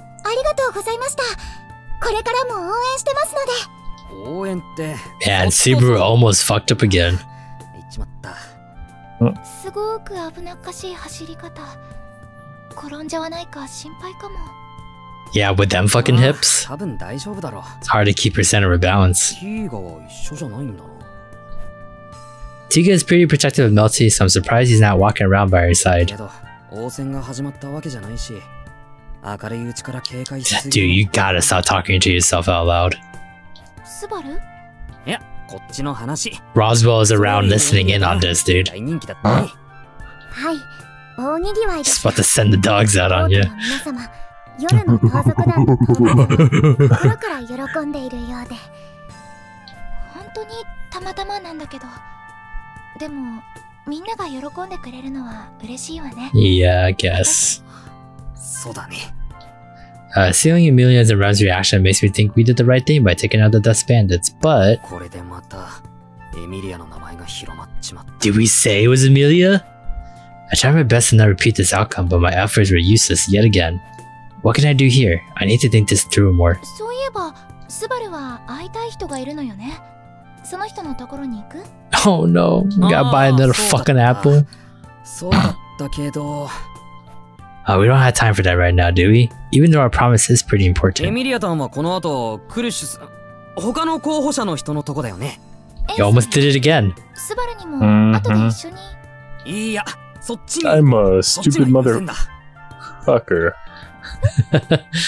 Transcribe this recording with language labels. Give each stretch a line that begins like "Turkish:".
Japanese: ありがとうございました。これからも応援してますので。応援って。
English: Man, Subaru almost fucked up again.
Japanese: 行っちまった。すごく危なっかしい走り方。転んじゃわないか心配かも。
English: Yeah, with them fucking hips.
Japanese: 多分大丈夫だろ。
English: It's hard to keep her center of balance.
Japanese: Tiga は一緒じゃないんだろ。
English: Tiga is pretty protective of Melty, so I'm surprised he's not walking around by her side.
Japanese: けど、応戦が始まったわけじゃないし。
English: Dude, you gotta stop talking to yourself out loud. Subaru?
Japanese: Yeah, こっちの話。
English: Roswell is around listening in on this, dude.
Japanese: 大人気だったね。はい、大にぎわい。
English: Just about to send the dogs out on you.
Japanese: 皆様、夜の盗賊団心から喜んでいるようで。本当にたまたまなんだけど。でも、みんなが喜んでくれるのは嬉しいわね。
English: Yeah, I guess.
Japanese: そうだね。
English: Seeing Emilia's and Rem's reaction makes me think we did the right thing by taking out the dust bandits, but
Japanese: これでまたエミリアの名前が広まっちまった。
English: Did we say it was Emilia? I tried my best to not repeat this outcome, but my efforts were useless yet again. What can I do here? I need to think this through more.
Japanese: そういえば、スバルは会いたい人がいるのよね。その人のところに行く？
English: Oh no, gotta buy another fucking apple.
Japanese: そうだったけど。
English: We don't have time for that right now, do we? Even though our promise is pretty important.
Japanese: Emilia さんはこの後、クルシュさん、他の候補者の人のとこだよね。
English: You almost did it again.
Japanese: スバルにも後で一緒に。いや、そっちに。
English: I'm a stupid motherfucker.
Japanese: でも、